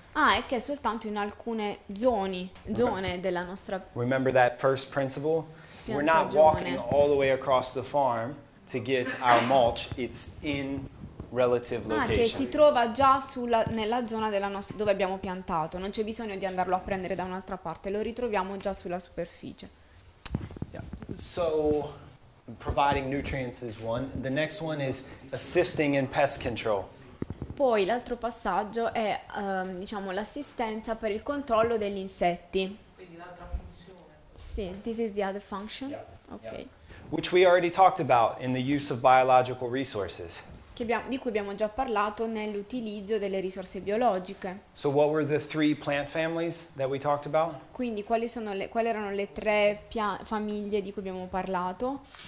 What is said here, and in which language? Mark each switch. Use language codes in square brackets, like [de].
[it] Ah, è che è soltanto in alcune zone della nostra. [en] Remember that first principle? We're not walking all the way across the farm to get our mulch. It's in relative location. [it] Ah, che si trova già nella zona della nostra dove abbiamo piantato. Non c'è bisogno di andarlo a prendere da un'altra parte. Lo ritroviamo già sulla superficie. [en] Yeah. So. Providing nutrients is one. The next one is assisting in pest control. [it] Poi l'altro passaggio è diciamo l'assistenza per il controllo degli insetti. Quindi l'altra funzione. [en] Sì, this is the other function. Yeah. Okay. Yeah. Which we already talked about in the use of biological resources. [it] di cui abbiamo già parlato nell'utilizzo delle risorse biologiche. [en] So what were the three plant families that we talked about? [it] Quindi quali sono le quali erano le tre famiglie di cui abbiamo parlato?